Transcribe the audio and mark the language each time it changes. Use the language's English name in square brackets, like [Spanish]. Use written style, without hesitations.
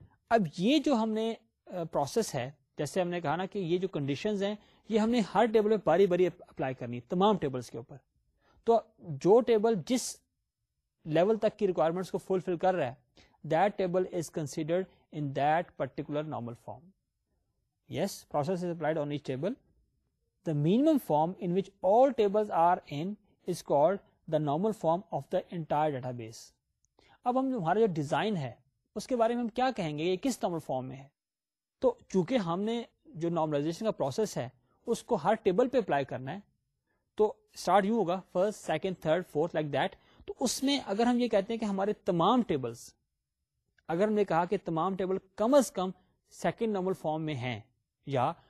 [Urdu] اب یہ جو ہم نے پروسیس ہے, جیسے ہم نے کہا نا کہ یہ جو کنڈیشنز ہیں یہ ہم نے ہر ٹیبل میں باری باری اپلائی کرنی ہے تمام ٹیبلس کے اوپر. تو جو ٹیبل جس لیول تک کی ریکوائرمنٹس کو فلفل کر رہا ہے, [English] That table is considered in that particular normal form. Yes, process is applied on each table. The minimum form in which all tables are in is called the normal form of the entire database. [Urdu] اب ہم ہمارا جو design ہے اس کے بارے میں ہم کیا کہیں گے, یہ کس نارمل فارم میں ہے؟ تو چونکہ ہم نے جو نارملائزیشن کا پروسیس ہے اس کو ہر ٹیبل پہ اپلائی کرنا ہے, تو اسٹارٹ یوں ہوگا [English] First, second, third, fourth, like that. [Urdu] تو اس میں اگر ہم یہ کہتے ہیں کہ ہمارے تمام ٹیبلس, اگر ہم نے کہا کہ تمام ٹیبل کم از کم سیکنڈ نارمل فارم میں ہیں, یا